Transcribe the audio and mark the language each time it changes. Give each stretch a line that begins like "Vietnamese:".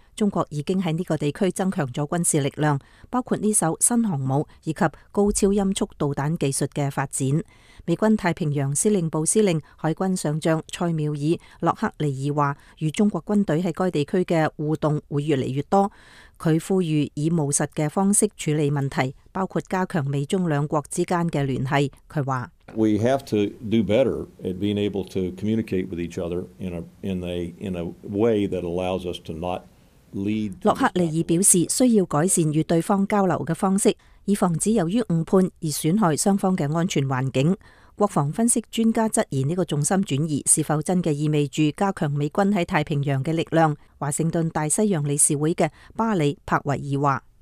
Chinese: 中国已经在这个地区增强了军事力量，包括这艘新航母以及高超音速导弹技术的发展。美军太平洋司令部司令海军上将塞缪尔·洛克利尔说，与中国军队在该地区的互动会越来越多。他呼吁以务实的方式处理问题，包括加强美中两国之间的联系。他说，
English: We have to do better at being able to communicate with each other in a way that allows us to not lead。
Chinese: 洛克利尔表示需要改善与对方交流的方式，以防止由于误判而损害双方的安全环境。国防分析专家质疑这个重心转移是否真的意味着加强美军在太平洋的力量。华盛顿大西洋理事会的巴里·帕维尔说，